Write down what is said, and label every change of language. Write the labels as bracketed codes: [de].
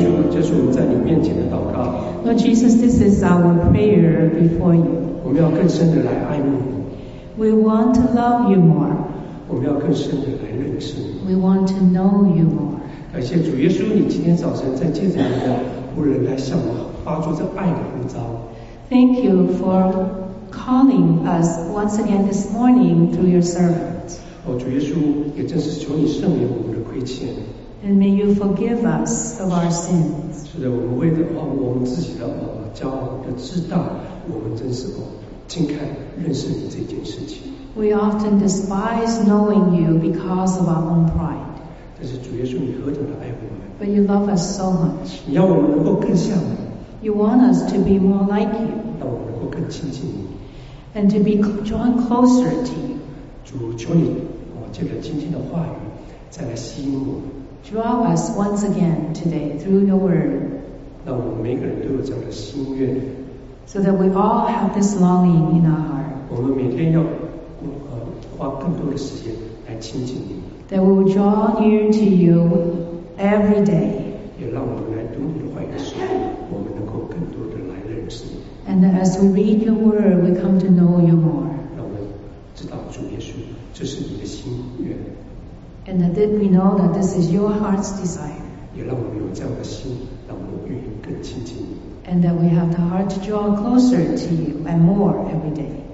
[en] Lord Jesus, this is our prayer before you. [zh] 我们要更深地来爱慕你。 [en] We want to love you more. [zh] 我们要更深地来认识你。 [en] We want to know you more. [zh] 感谢主耶稣，你今天早晨在借着你的仆人来向我发出这爱的呼召。 [en] Thank you for calling us once again this morning through your servant. [zh] 哦，主耶稣，也正是求你赦免我们的亏欠。 [en] And may you forgive us of our sins. [zh] 是的，我们为了我们自己的骄傲，要知道我们真是不轻看认识你这件事情。 [en] We often despise knowing you because of our own pride. [zh] 但是主耶稣，你何等的爱我们。 [en] But you love us so much. [zh] 你要我们能够更像你。 [en] You want us to be more like you. [zh] 让我们能够更亲近你。 [en] And to be drawn closer to you. [zh] 主，求你借着今天的话语，再来吸引我们。 [en] Draw us once again today through your word. [zh] 让我们每个人都有这样的心愿。 [en] So that we all have this longing in our heart. [zh] 我们每天要花更多的时间来亲近你。 [en] That we will draw near to you every day. [zh] 也让我们来读你的话语的时候，我们能够更多的来认识你。 [en] And as we read your word, we come to know you more. [zh] 让我们知道主耶稣，这是你的心愿。 [en] And that we know that this is your heart's desire. [zh] 也让我们有这样的心，让我们愿意更亲近你。 [en] And that we have the heart to draw closer to you and more every day.